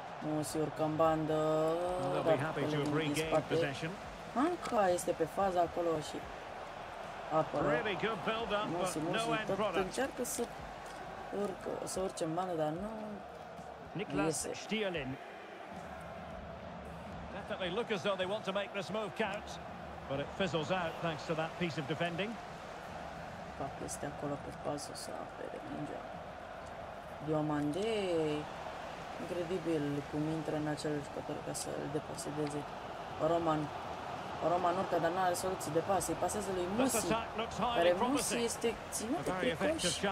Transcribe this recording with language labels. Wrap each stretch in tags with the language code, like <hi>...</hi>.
<ro>Musi urcă în bandă, dar pe linii din spate. Hanka este pe fază acolo și apără. Musi, Musi tot încearcă să urcă, să urce în bandă, dar nu iese.</ro> <en>Definitely look as though they want to make this move count, but it fizzles out thanks to that piece of defending.</en> <ro>Pac este acolo pe fază să apere mingea. Diomande. Incredibil cum intră în acel jucător ca să-l deposedeze. Roman. Roman urcă, dar n-are soluții de pas. Îi pasează lui Musi. Care Musi este ținut de pricoș.</ro>